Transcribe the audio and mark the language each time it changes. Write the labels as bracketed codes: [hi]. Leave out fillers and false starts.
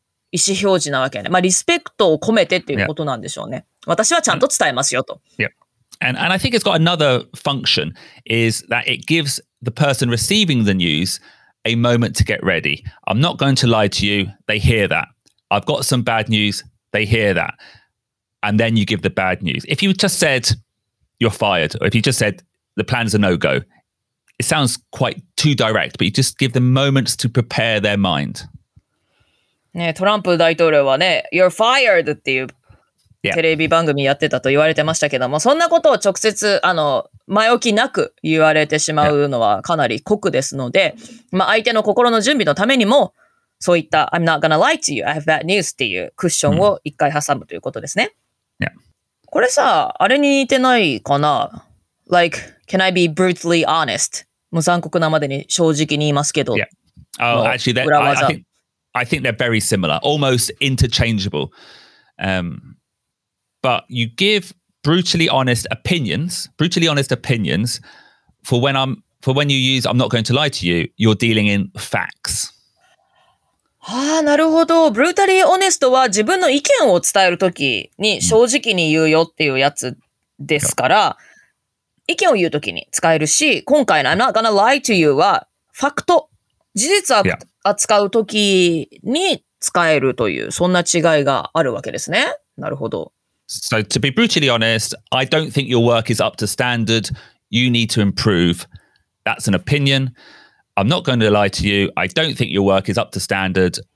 [ja] 意思表示なわけね。まあ、リスペクトを込めてっていうことなんでしょうね。 [en] Yeah. [ja] 私はちゃんと伝えますよと。 [en] Yeah. And I think it's got another function is that it gives the person receiving the news a moment to get ready. I'm not going to lie to you. They hear that. I've got some bad news. They hear that. And then you give the bad news. If you just said you're fired or if you just said the plan's a no-go, it sounds quite too direct, but you just give them moments to prepare their mind. [ja] ね、トランプ大統領はね、 [en] You're fired [ja] っていうテレビ番組やってたと言われてましたけども、 [en] yeah. [ja] そんなことを直接、あの、前置きなく言われてしまうのはかなり酷ですので、yeah. まあ相手の心の準備のためにも、そういった [en] I'm not gonna lie to you, I have bad news [ja] っていうクッションを一回挟むということですね。 [en] Yeah. [ja] これさ、あれに似てないかな ? [en] Like, can I be brutally honest? [ja] もう残酷なまでに正直に言いますけど。 [en] Yeah. Oh, actually, that, I think they're very similar, almost interchangeable. But you give brutally honest opinions for when you use I'm not going to lie to you, you're dealing in facts. [ja] ああ、なるほど。 [en] Brutally honest [ja] は自分の意見を伝えるときに正直に言うよっていうやつですから、意見を言うときに使えるし、今回の [en] I'm not gonna lie to you [ja] はファクト。事実は、yeah. 扱うときに使えるというそんな違いがあるわけですね。なるほど。 [en] So to be brutally honest, I don't think your work is up to standard. You need to improve. That's an opinion. I'm not going to lie to you. I don't think your work is up to standard.